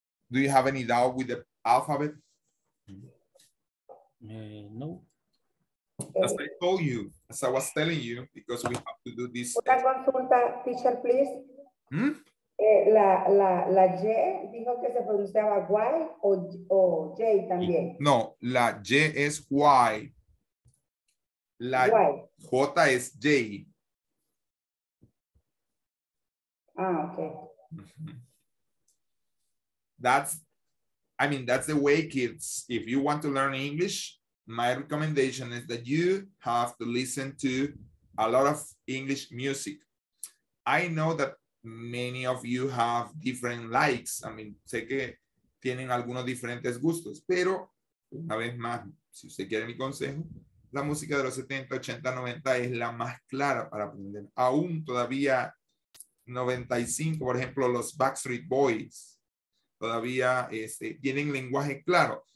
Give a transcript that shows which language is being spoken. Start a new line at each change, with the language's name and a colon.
English: Do you have any doubt with the alphabet? No. As I told you, as I was telling you, because we have to do this.
Spanish: Una consulta,
English: teacher, please.
Spanish: La Y dijo que se pronunciaba Y o J también. No, la Y es Y. La Y. J es J.
English: Ah, okay. That's the way, kids. If you want to learn English, my recommendation is that you have to listen to a lot of English music. I know that many of you have different likes. I mean,
Spanish: sé que tienen algunos diferentes gustos, pero una vez más, si usted quiere mi consejo, la música de los 70, 80, 90 es la más clara para aprender. Aún todavía 95, por ejemplo, los Backstreet Boys, todavía tienen lenguaje claro.